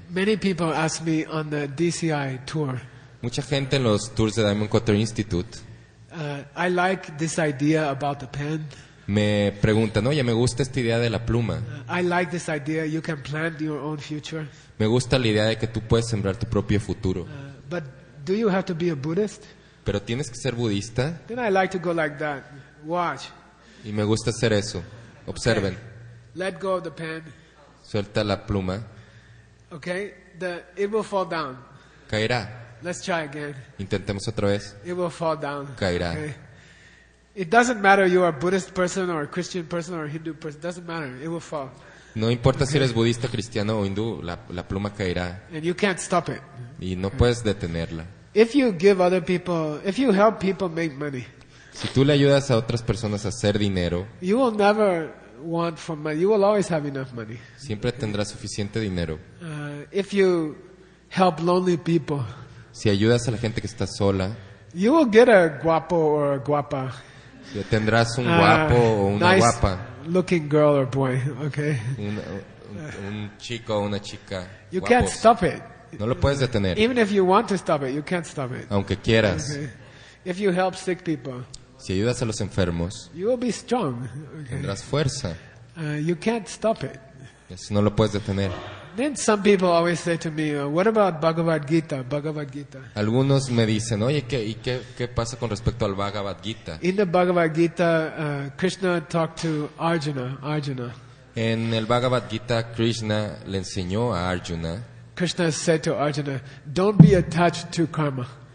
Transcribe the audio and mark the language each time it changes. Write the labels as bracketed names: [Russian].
[English] Many people ask me on the DCI tour. [Spanish] Mucha gente en los tours de Diamond Cutter Institute. [English] I like this idea about the pen. [Spanish] Me preguntan, oye, me gusta esta idea de la pluma. [English] I like this idea. You can plant your own future. [Spanish] Me gusta la idea de que tú puedes sembrar tu propio futuro. [English] But do you have to be a Buddhist? [Spanish] Pero tienes que ser budista. [English] Then I like to go like that. Watch. [Spanish] Y me gusta hacer eso. Observen. [English] Okay. Let go of the pen. [Spanish] Suelta la pluma. [English] Okay, it will fall down. [Spanish] Caerá. [English] Let's try again. [Spanish] Intentemos otra vez. [English] It will fall down. [Spanish] Caerá. Okay. [English] It doesn't matter if you are a Buddhist person or a Christian person or a Hindu person. It doesn't matter. It will fall. [Spanish] No importa si eres budista, cristiano o hindú, la pluma caerá. [English] And you can't stop it. [Spanish] Y no puedes detenerla. [English] If you give other people, if you help people make money, [Spanish] si tú le ayudas a otras personas a hacer dinero, [English] you will never want for money. You will always have enough money. [Spanish] Siempre tendrás suficiente dinero. [English] If you help lonely people, [Spanish] si ayudas a la gente que está sola, [English] you will get a [Spanish] guapo [English] or a [Spanish] guapa. Tendrás un guapo o una [English] nice [Spanish] guapa. [English] Looking girl or boy, okay. [Spanish] Un chico o una chica. [English] You [Spanish] guapos. [English] Can't stop it. [Spanish] No lo puedes detener. [English] Even if you want to stop it, you can't stop it. [Spanish] Aunque quieras. [English] Okay. If you help sick people, [Spanish] si ayudas a los enfermos, [English] you will be strong. [Spanish] Okay. Tendrás fuerza. [English] You can't stop it. [Spanish] Eso no lo puedes detener. [English] Then some people always say to me, "What about Bhagavad Gita? Bhagavad Gita?" [Spanish] Algunos me dicen, "Oye, ¿qué pasa con respecto al Bhagavad Gita?" [English] In the Bhagavad Gita, Krishna talked to Arjuna. Arjuna. [Spanish] En el Bhagavad Gita, Krishna le enseñó a Arjuna. [English] Krishna said to Arjuna, "Don't be attached to karma."